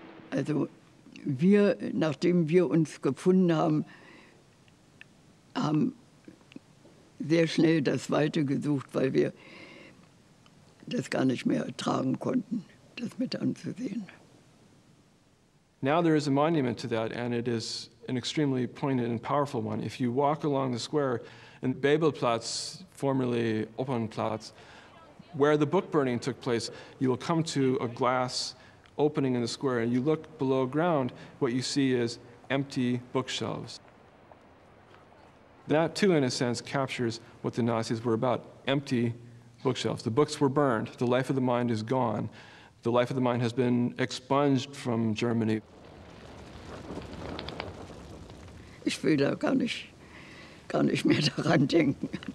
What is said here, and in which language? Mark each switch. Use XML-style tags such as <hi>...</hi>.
<de>Also wir, nachdem wir uns gefunden haben, haben sehr schnell das Weite gesucht, weil wir das gar nicht mehr ertragen konnten, das mit anzusehen.</de> <en>Now there is a monument to that, and it is an extremely poignant and powerful one. If you walk along the square in Babelplatz, formerly Oppenplatz, where the book burning took place, you will come to a glass opening in the square, and you look below ground, what you see is empty bookshelves. That too, in a sense, captures what the Nazis were about, empty bookshelves. The books were burned, the life of the mind is gone. The life of the mind has been expunged from Germany.</en> <de>Ich will da gar nicht mehr daran denken.</de>